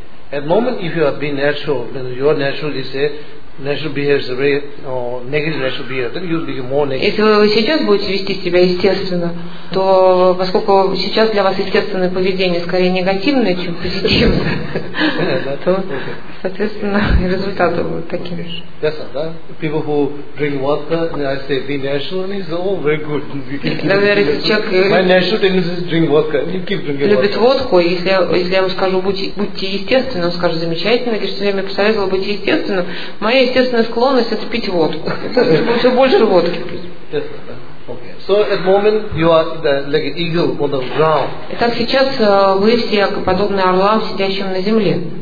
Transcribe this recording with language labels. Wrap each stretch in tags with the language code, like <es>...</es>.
<en>At moment, if you have been natural, your natural is a natural behavior, very negative natural behavior, then you'll become more negative.</en> <ru>Если вы сейчас будете вести себя естественно, то поскольку сейчас для вас естественное поведение скорее негативное, чем позитивное, то, соответственно, и результаты будут такими же.</ru> <en>Yes, да. People who drink water, and I say, be natural, is all very good. My natural tendency is drink water. You keep drinking water.</en> <ru>Любит водку, если я вам скажу, будьте естественны. Он скажет, замечательно, лишь все время посоветовал быть естественным. Моя естественная склонность — это пить водку. Все больше водки пить.</ru> <en>So at moment you are like an eagle on the ground.</en> <ru>Итак, сейчас вы все подобны орлам, сидящим на земле.</ru>